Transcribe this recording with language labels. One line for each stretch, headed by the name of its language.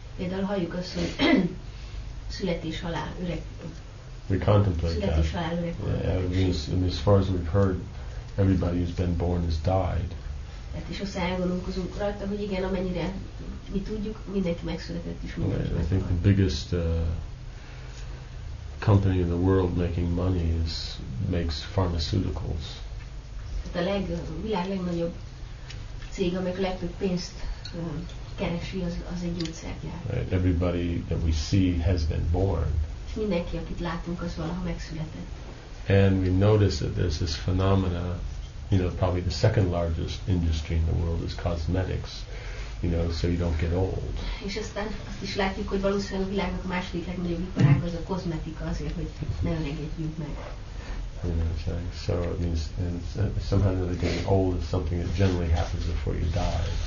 Hungarian: Például halljuk azt, hogy születés, halál, öreg.
English: We contemplate
Hungarian: születés,
English: that.
Hungarian: Születés, halál, öreg.
English: Yeah, as far as we've heard, everybody who's been born has died.
Hungarian: Tehát is aztán elgondolkozunk rajta, hogy igen, amennyire mi tudjuk, mindenki megszületett is, mindenki megszületett.
English: I think the biggest company in the world making money makes pharmaceuticals.
Hungarian: A világ legnagyobb cég, amelyik legtöbb pénzt keresi, az egy gyógyszergyár.
English: Right. Everybody that we see has been born.
Hungarian: Mindenki, akit látunk, az valaha megszületett.
English: And we notice that there's this phenomena, you know, probably the second largest industry in the world is cosmetics, you know, so you don't get old.
Hungarian: És aztán azt is látjuk, hogy valószínűleg a világnak a második legnagyobb iparág az a kozmetika, azért, hogy ne öregedjünk meg.
English: You know, so it means, and somehow another getting old is something that generally happens before you die.